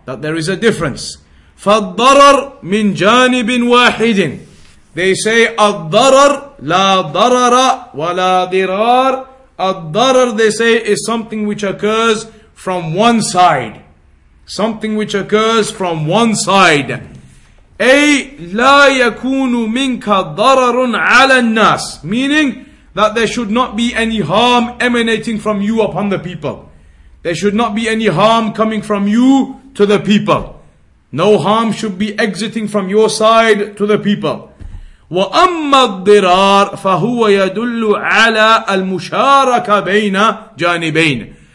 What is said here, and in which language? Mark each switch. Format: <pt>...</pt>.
<en>That there is a difference.</en> <ar>فَالضَّرَرْ مِنْ جَانِبٍ وَاحِدٍ.</ar> <en>They say,</en> <ar>الضَّرَرْ لَا ضَرَرَ وَلَا ضِرَارَ.</ar> <en>الضَّرَرْ, they say, is something which occurs from one side. Something which occurs from one side.</en> <ar>أي لَا يَكُونُ مِنْكَ ضَرَرٌ عَلَى النَّاسِ.</ar> <en>Meaning that there should not be any harm emanating from you upon the people. There should not be any harm coming from you to the people. No harm should be exiting from your side to the people.</en> <ar>وَأَمَّا الضِّرَارَ فَهُوَ يَدُلُّ عَلَى الْمُشَارَكَ بَيْنَ جَانِبَيْنَ.</ar>